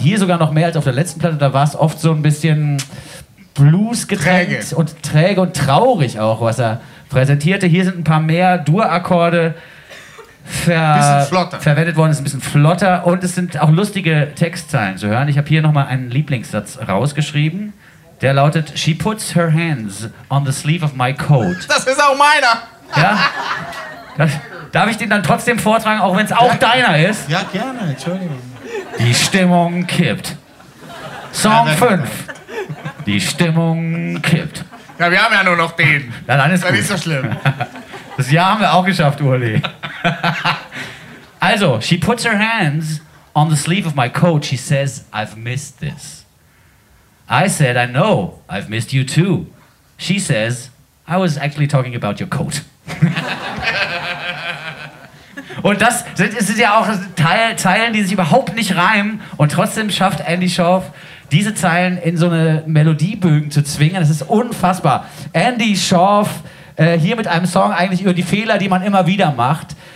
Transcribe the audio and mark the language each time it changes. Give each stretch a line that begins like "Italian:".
German: Hier sogar noch mehr als auf der letzten Platte, da war es oft so ein bisschen bluesgetränkt und träge und traurig auch, was er präsentierte. Hier sind ein paar mehr Dur-Akkorde verwendet worden, ist ein bisschen flotter und es sind auch lustige Textzeilen zu hören. Ich habe hier nochmal einen Lieblingssatz rausgeschrieben. Der lautet:
English: She puts her hands on the sleeve of my coat.
German: Das ist auch meiner! Ja? Darf ich den dann trotzdem vortragen, auch wenn es auch deiner ist? Ja, gerne, Entschuldigung. Die Stimmung kippt. Song 5. Die Stimmung kippt. Ja, wir haben ja nur noch den. Ja, dann ist gut. Nicht so schlimm. Das Jahr haben wir auch geschafft, Uli.
English: Also, she puts her hands on the sleeve of my coat. She says, I've missed this. I said, I know, I've missed you too. She says, I was actually talking about your coat.
German: Und das sind ja auch Zeilen, die sich überhaupt nicht reimen. Und trotzdem schafft Andy Schorf, diese Zeilen in so eine Melodiebögen zu zwingen. Das ist unfassbar. Andy Schorf hier mit einem Song eigentlich über die Fehler, die man immer wieder macht.